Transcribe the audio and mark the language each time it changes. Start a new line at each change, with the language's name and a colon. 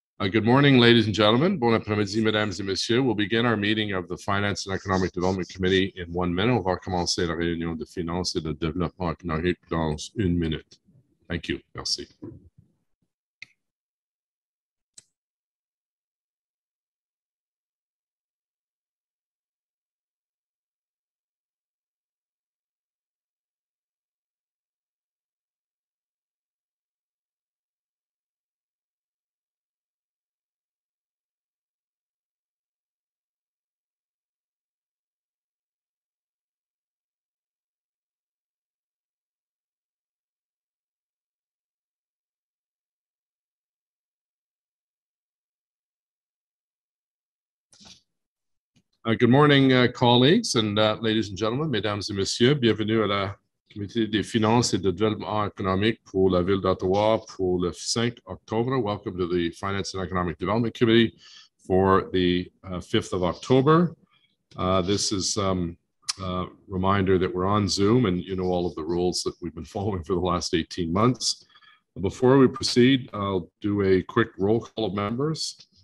English: Good morning, ladies and gentlemen.
French: Bon après-midi, mesdames et messieurs.
English: We'll begin our meeting of the Finance and Economic Development Committee in 1 minute.
French: On va commencer la réunion de finances et de développement économique dans 1 minute.
English: Thank you.
French: Merci.
English: Good morning, colleagues and ladies and gentlemen,
French: mesdames et messieurs. Bienvenue à la Committee des Finances et de Développement Économique pour la Ville d'Ottawa pour le 5 octobre.
English: Welcome to the Finance and Economic Development Committee for the 5th of October. This is a reminder that we're on Zoom and you know all of the rules that we've been following for the last 18 months. Before we proceed, I'll do a quick roll call of members.